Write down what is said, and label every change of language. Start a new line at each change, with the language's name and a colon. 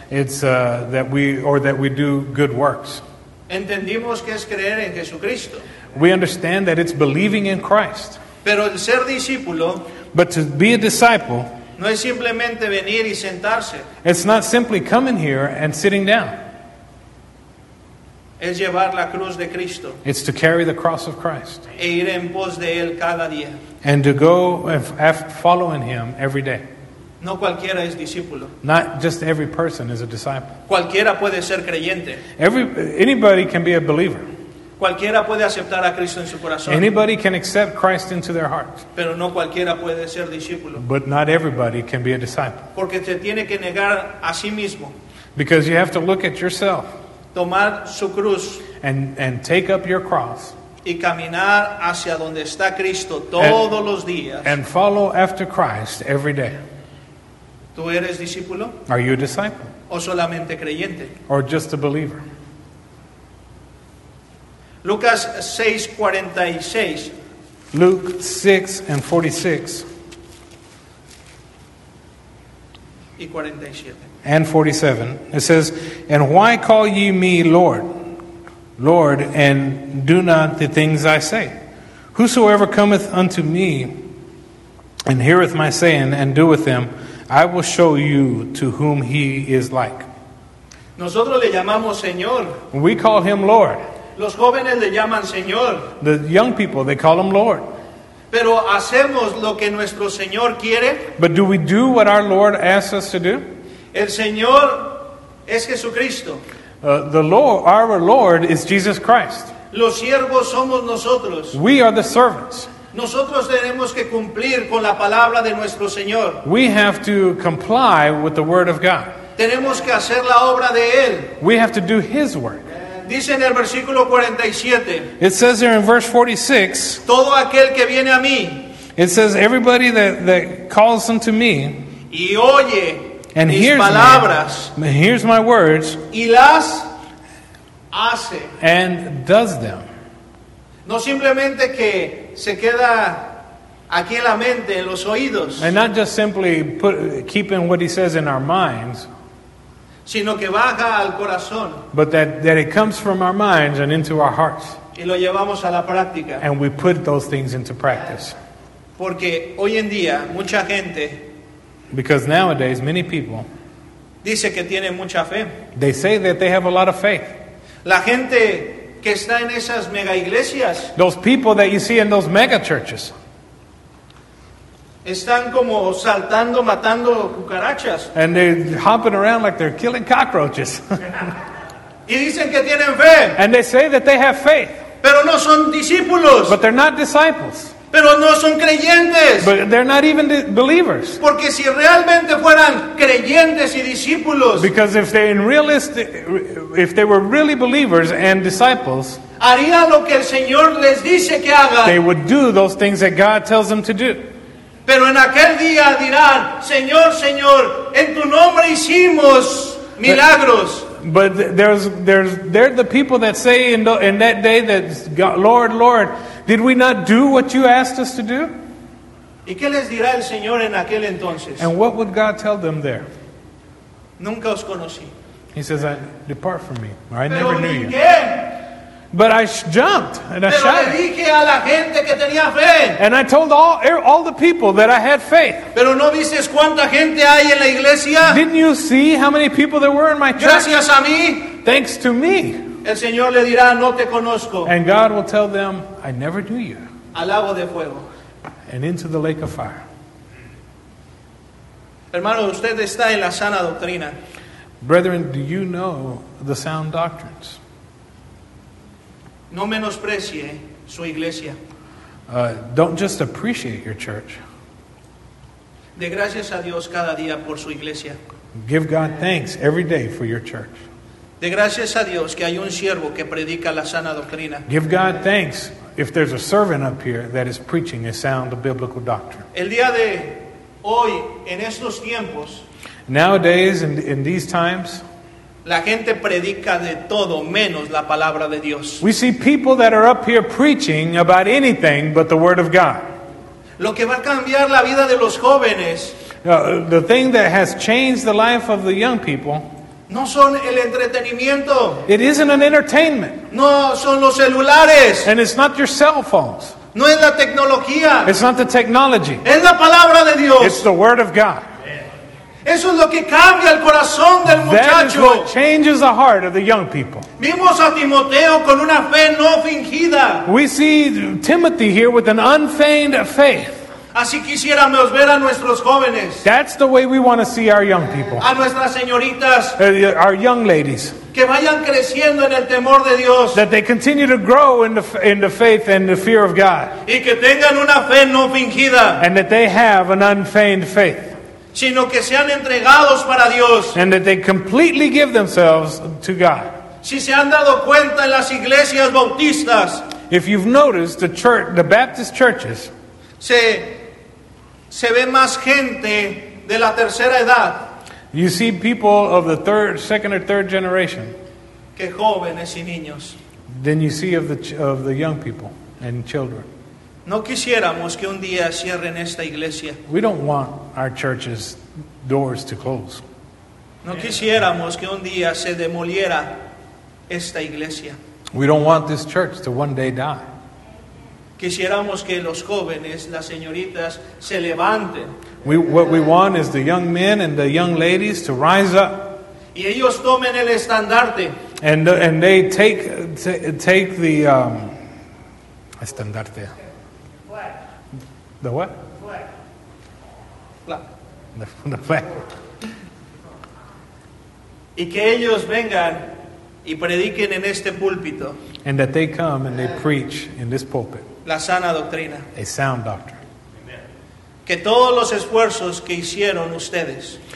English: It's that we do good works.
Spanish: Entendimos que es creer en Jesucristo.
English: We understand that it's believing in Christ.
Spanish: Pero el ser discípulo,
English: but to be a disciple,
Spanish: no es simplemente venir y sentarse.
English: It's not simply coming here and sitting down.
Spanish: Es llevar la cruz de Cristo.
English: It's to carry the cross of Christ.
Spanish: E ir en pos de él cada día.
English: And to go following him every day.
Spanish: No cualquiera es discípulo.
English: Not just every person is a disciple.
Spanish: Cualquiera puede ser creyente.
English: Anybody can be a believer.
Spanish: Cualquiera puede aceptar a Cristo en su corazón.
English: Anybody can accept Christ into their heart.
Spanish: Pero no cualquiera puede ser discípulo.
English: But not everybody can be a disciple.
Spanish: Porque se tiene que negar a sí mismo.
English: Because you have to look at yourself.
Spanish: Tomar su cruz.
English: And take up your cross.
Spanish: Y caminar hacia donde está Cristo todos los días.
English: And follow after Christ every day.
Spanish: ¿Tú eres discípulo?
English: Are you a disciple?
Spanish: ¿O solamente creyente?
English: Or just a believer?
Spanish: Lucas 6:46.
English: Luke 6:46.
Spanish: Y 47.
English: And 47. It says, "And why call ye me Lord, Lord, and do not the things I say? Whosoever cometh unto me and heareth my saying and doeth them, I will show you to whom he is like."
Spanish: Nosotros le llamamos Señor.
English: We call him Lord.
Spanish: Los jóvenes le llaman Señor.
English: The young people, they call him Lord.
Spanish: Pero hacemos lo que nuestro Señor quiere.
English: But do we do what our Lord asks us to do?
Spanish: El Señor es Jesucristo.
English: The Lord, our Lord is Jesus Christ.
Spanish: Los siervos somos nosotros.
English: We are the servants.
Spanish: Nosotros tenemos que cumplir con la palabra de nuestro Señor.
English: We have to comply with the word of God.
Spanish: Tenemos que hacer la obra de él.
English: We have to do his work.
Spanish: Dice en el versículo 47.
English: It says there in verse 46.
Spanish: Todo aquel que viene a mí.
English: It says everybody that calls unto me.
Spanish: Y oye
English: and
Spanish: mis
English: hears
Spanish: palabras.
English: Me, hears my words.
Spanish: Y las hace.
English: And does them.
Spanish: No simplemente que se queda aquí en la mente, en los oídos.
English: And not just simply keeping what he says in our minds.
Spanish: Sino que baja al corazón.
English: But that it comes from our minds and into our hearts.
Spanish: Y lo llevamos a la práctica.
English: And we put those things into practice.
Spanish: Porque hoy en día, mucha gente.
English: Because nowadays, many people.
Spanish: Dice que tiene mucha fe.
English: They say that they have a lot of faith.
Spanish: La gente que está en esas mega iglesias.
English: Those people that you see in those mega churches.
Spanish: Están como saltando, matando cucarachas.
English: And they're hopping around like they're killing cockroaches.
Spanish: Y dicen que tienen fe.
English: And they say that they have faith.
Spanish: Pero no son discípulos.
English: But they're not disciples.
Spanish: Pero no son creyentes.
English: But they're not even believers.
Spanish: Porque si realmente fueran creyentes y discípulos.
English: Because if they're if they were really believers and disciples.
Spanish: Haría lo que el Señor les dice que hagan.
English: They would do those things that God tells them to do.
Spanish: Pero en aquel día dirán, Señor, Señor, en tu nombre hicimos milagros.
English: But they're the people that say in that day that God, Lord, Lord, did we not do what you asked us to do?
Spanish: ¿Y qué les dirá el Señor en aquel entonces?
English: And what would God tell them there?
Spanish: Nunca os conocí.
English: He says, depart from me. Or, I
Spanish: pero
English: never knew you.
Spanish: Qué?
English: But I jumped and I
Spanish: pero
English: shouted.
Spanish: Le dije a la gente que tenía fe.
English: And I told all the people that I had faith.
Spanish: Pero no dices cuánta gente hay en la iglesia.
English: Didn't you see how many people there were in my church?
Spanish: Gracias a mí.
English: Thanks to me.
Spanish: El Señor le dirá, no te conozco.
English: And God will tell them, I never knew you.
Spanish: Al lago de fuego.
English: And into the lake of fire.
Spanish: Hermano, usted está en la sana doctrina.
English: Brethren, do you know the sound doctrines?
Spanish: No menosprecie su iglesia.
English: Don't just appreciate your church.
Spanish: De gracias a Dios cada día por su iglesia.
English: Give God thanks every day for your church.
Spanish: De gracias a Dios que hay un siervo que predica la sana doctrina.
English: Give God thanks if there's a servant up here that is preaching a sound of biblical doctrine.
Spanish: El día de hoy, en estos tiempos,
English: nowadays, in these times,
Spanish: la gente predica de todo menos la palabra de Dios.
English: We see people that are up here preaching about anything but the Word of God.
Spanish: Lo que va a cambiar la vida de los jóvenes,
English: the thing that has changed the life of the young people,
Spanish: no son el entretenimiento.
English: It isn't an entertainment.
Spanish: No son los celulares.
English: And it's not your cell phones.
Spanish: No es la tecnología.
English: It's not the technology.
Spanish: Es la palabra de Dios.
English: It's the Word of God.
Spanish: Eso es lo que cambia el corazón del muchacho.
English: That is what changes the heart of the young people.
Spanish: Vimos a Timoteo con una fe no fingida.
English: We see Timothy here with an unfeigned faith.
Spanish: Así quisiéramos ver a nuestros jóvenes.
English: That's the way we want to see our young people.
Spanish: A nuestras señoritas.
English: Our young ladies.
Spanish: Que vayan creciendo en el temor de Dios.
English: That they continue to grow in the faith and the fear of God.
Spanish: Y que tengan una fe no fingida.
English: And that they have an unfeigned faith.
Spanish: Sino que sean entregados para Dios.
English: And that they completely give themselves to God.
Spanish: Si se han dado cuenta en las iglesias bautistas.
English: If you've noticed the church, the Baptist churches.
Spanish: Se ve más gente de la tercera edad.
English: You see people of the second or third generation.
Spanish: Que jóvenes y niños.
English: Then you see of the young people and children.
Spanish: No quisiéramos que un día cierren esta iglesia.
English: We don't want our church's doors to close.
Spanish: No quisiéramos que un día se demoliera esta iglesia.
English: We don't want this church to one day die.
Spanish: Quisiéramos que los jóvenes, las señoritas, se levanten.
English: What we want is the young men and the young ladies to rise up.
Spanish: Y ellos tomen el estandarte.
English: And they take the estandarte. The what? Flag. The flag.
Spanish: Y que ellos vengan y prediquen en este púlpito.
English: And that they come and they preach in this pulpit.
Spanish: La sana doctrina.
English: A sound doctrine. Amen.
Spanish: Que todos los esfuerzos que hicieron ustedes.